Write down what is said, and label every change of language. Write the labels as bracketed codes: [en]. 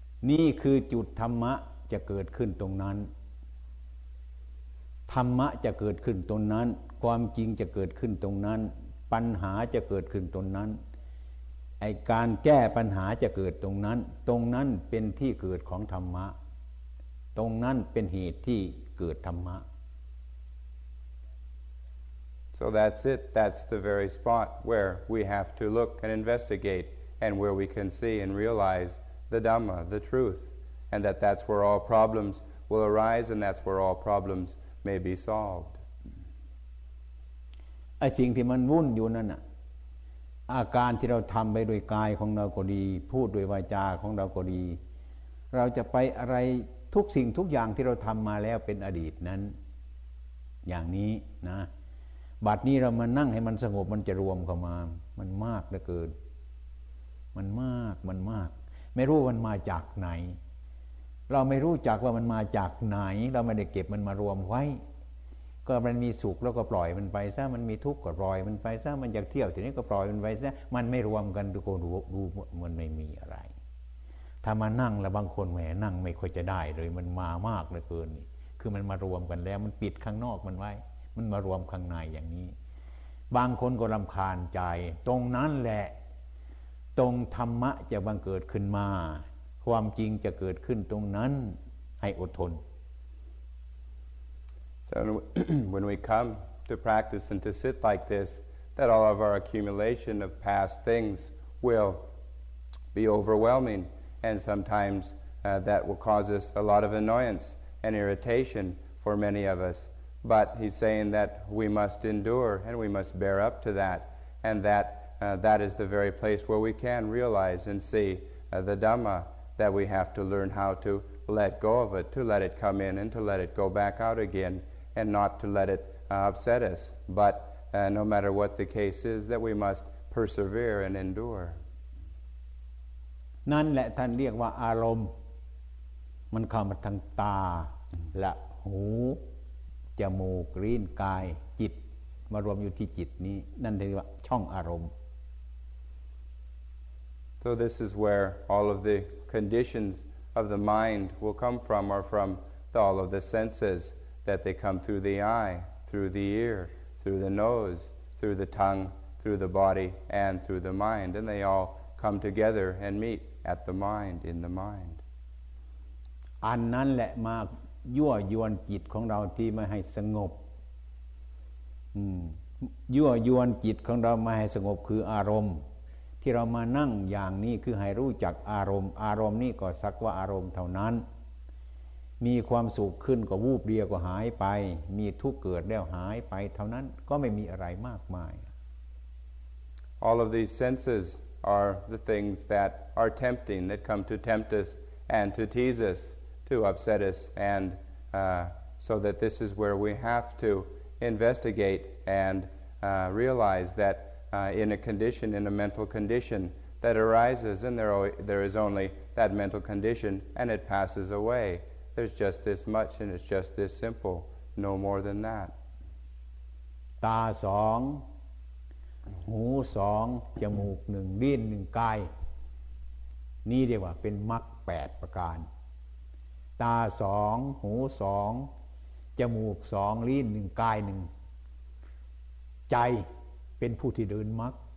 [th] นี่คือจุดธรรมะจะเกิดขึ้นตรงนั้นธรรมะจะเกิดขึ้นตรงนั้นความจริงจะเกิดขึ้นตรงนั้นปัญหาจะเกิดขึ้นตรงนั้น ไอ้การแก้ปัญหาจะเกิดตรงนั้นตรงนั้นเป็นที่เกิดของธรรมะตรงนั้นเป็นเหตุที่เกิดธรรมะ [en] So that's it. That's the very spot where we have to look and investigate and where we can see and realize the Dhamma, the truth, and that that's where all problems will arise and that's where all problems may be solved. [th] ไอ้สิ่งที่มันวุ่นอยู่นั่นน่ะอาการที่เราทำไปโดยกายของเราก็ดีพูดโดยวาจาของเราก็ดีเราจะไปอะไรทุกสิ่งทุกอย่างที่เราทำมาแล้วเป็นอดีตนั้นอย่างนี้นะบัดนี้เรามานั่งให้มันสงบมันจะรวมเข้ามามันมากเหลือเกิน มันมากไม่รู้มันมาจากไหนเราไม่รู้จักว่ามันมาจากไหนเราไม่ได้เก็บมันมารวมไว้ก็มันมีสุขแล้วก็ปล่อยมันไปซะมันมีทุกข์ก็ปล่อยมันไปซะมันอยากเที่ยวทีนี้ก็ปล่อยมันไปซะมันไม่รวมกันทุกคนรู้มันไม่มีอะไร ถ้ามานั่งแล้วบางคนแหมนั่งไม่ค่อยจะได้เลยมันมามากเหลือเกินนี่คือมันมารวมกันแล้วมันปิดข้างนอกมันไว้มันมารวมข้างในอย่างนี้บางคนก็รำคาญใจตรงนั้นแหละตรงธรรมะจะบังเกิดขึ้นมาความจริงจะเกิดขึ้นตรงนั้นให้อดทน [en] So when we come to practice and to sit like this, that all of our accumulation of past things will be overwhelming, and sometimes that will cause us a lot of annoyance and irritation for many of us. But he's saying that we must endure and we must bear up to that, and that that is the very place where we can realize and see the Dhamma, that we have to learn how to let go of it, to let it come in and to let it go back out again. And not to let it upset us, but no matter what the case is, that we must persevere and endure. [th] นั่นแหละท่านเรียกว่าอารมณ์มันเข้ามาทางตาและหูจมูกลิ้นกายจิตมารวมอยู่ที่จิตนี้นั่นเรียกว่าช่องอารมณ์ [en] So this is where all of the conditions of the mind will come from, or from all of the senses. That they come through the eye, through the ear, through the nose, through the tongue, through the body, and through the mind, and they all come together and meet at the mind, in the mind. [th] อันนั้นแหละมายั่วยวนจิตของเราที่ไม่ให้สงบยั่วยวนจิตของเราไม่ให้สงบคืออารมณ์ที่เรามานั่งอย่างนี้คือให้รู้จักอารมณ์อารมณ์นี้ก็สักว่าอารมณ์เท่านั้นมีความสุขขึ้นก็วูบเดียวก็หายไปมีทุกข์เกิดแล้วหายไปเท่านั้นก็ไม่มีอะไรมากมาย [en] All of these senses are the things that are tempting that come to tempt us and to tease us to upset us and so that this is where we have to investigate and realize that in a condition in a mental condition that arises and there is only that mental condition and it passes awayThere's just this much, and it's just this simple, no more than that. [th] ตาสองหูสองจมูกหนึ่งลิ้นหนึ่งกายนี่เรียกว่าเป็นมรรคแปดประการตาสองหูสองจมูกสองลิ้นหนึ่งกายหนึ่งใจเป็นผู้ที่เดินมรรค